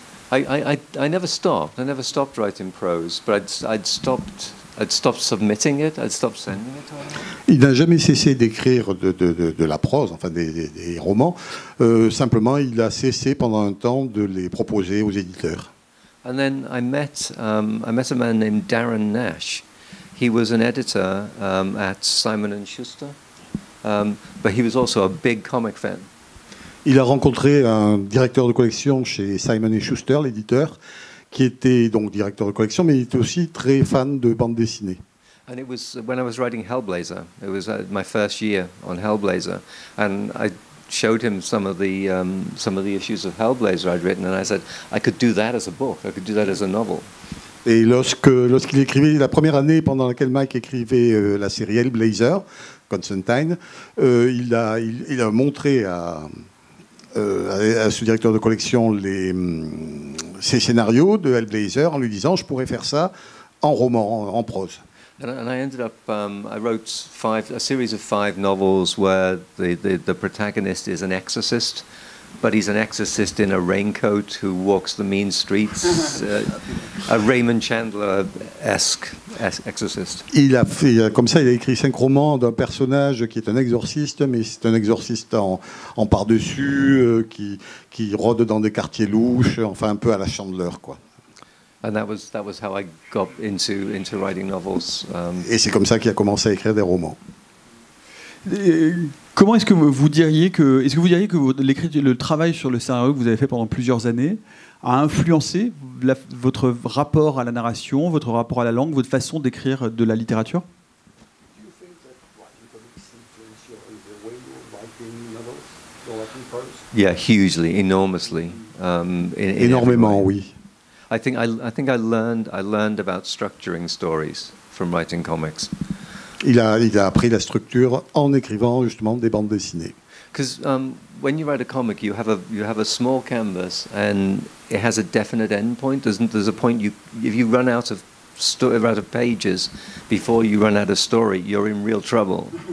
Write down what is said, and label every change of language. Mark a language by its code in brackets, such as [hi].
[en] I never stopped writing prose, but I'd stopped submitting it. I'd stopped sending it. [fr] Il n'a jamais cessé d'écrire de la prose, enfin des romans. Simplement, il a cessé pendant un temps de les proposer aux éditeurs. [en] And then I met a man named Darren Nash. He was an editor at Simon & Schuster, but he was also a big comic fan. [fr] Il a rencontré un directeur de collection chez Simon & Schuster, l'éditeur, qui était donc directeur de collection, mais il était aussi très fan de bande dessinée. [en] And it was when I was writing Hellblazer. It was my first year on Hellblazer, and I showed him some of the issues of Hellblazer I'd written, and I said I could do that as a book. I could do that as a novel. [fr] Et lorsqu'il écrivait la première année pendant laquelle Mike écrivait la série Hellblazer, Constantine, il a montré à ce directeur de collection ses scénarios de Hellblazer en lui disant je pourrais faire ça en roman, en prose. [en] And I ended up I wrote a series of five novels where the protagonist is an exorcist, but he's an exorcist in a raincoat who walks the mean streets, a Raymond Chandler-esque exorcist. [fr] Il a fait comme ça, il a écrit 5 romans d'un personnage qui est un exorciste, mais c'est un exorciste en par-dessus qui rôde dans des quartiers louches, enfin un peu à la Chandler, quoi. [en] And that was how I got into writing novels. [fr] Et c'est comme ça qu'il a commencé à écrire des romans. Comment est-ce que vous diriez que l'écriture, le travail sur le scénario que vous avez fait pendant plusieurs années a influencé votre rapport à la narration, votre rapport à la langue, votre façon d'écrire de la littérature? [en] Yeah, hugely, enormously. [fr] Énormément, oui. [en] I think I learned about structuring stories from writing comics. [fr] Il a appris la structure en écrivant justement des bandes dessinées. [en] Because when you write a comic, you have a small canvas and it has a definite end point. There's a point if you run out of pages before you run out of story, you're in real trouble.